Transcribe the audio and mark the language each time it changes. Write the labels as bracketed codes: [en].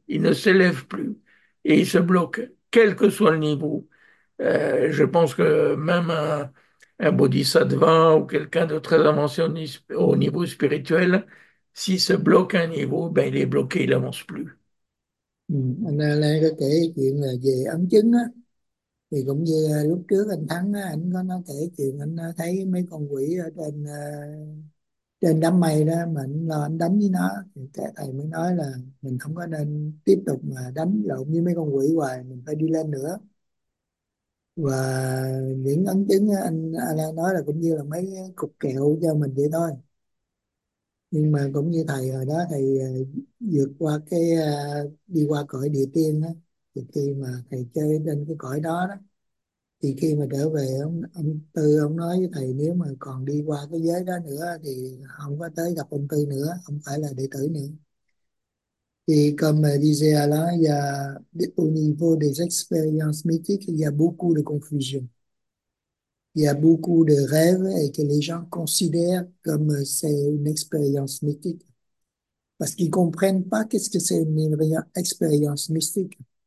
[fr] Ils ne s'élèvent plus. Et ils se bloquent, quel que soit le niveau. Je pense que même un bodhisattva ou quelqu'un de très avancé au niveau spirituel, s'il se bloque à un niveau, ben il est bloqué, il n'avance plus. [vi] Anh Lan có kể chuyện là về ấn chứng á, thì cũng như lúc trước anh Thắng á, anh có nói kể chuyện anh thấy mấy con quỷ ở trên trên đám mây đó, mà anh lo anh đánh với nó thì các thầy mới nói là mình không có nên tiếp tục mà đánh lộn với mấy con quỷ hoài, mình phải đi lên nữa. Và những ấn chứng á, anh Lan nói là cũng như là mấy cục kẹo cho mình vậy thôi, nhưng mà cũng như thầy hồi đó thầy vượt qua cái đi qua cõi địa tiên đó, thì khi mà thầy chơi trên cái cõi đó đó thì khi mà trở về ông Tư ông nói với thầy nếu mà còn đi qua cái giới đó nữa thì không có tới gặp ông Tư nữa, không phải là đệ tử nữa. [fr] Thì comme disait là il y a au niveau des expériences mythiques il y a beaucoup de confusion. Il y a beaucoup de rêves et que les gens considèrent comme c'est une expérience mythique. Parce qu'ils ne comprennent pas qu'est-ce que c'est une expérience mystique.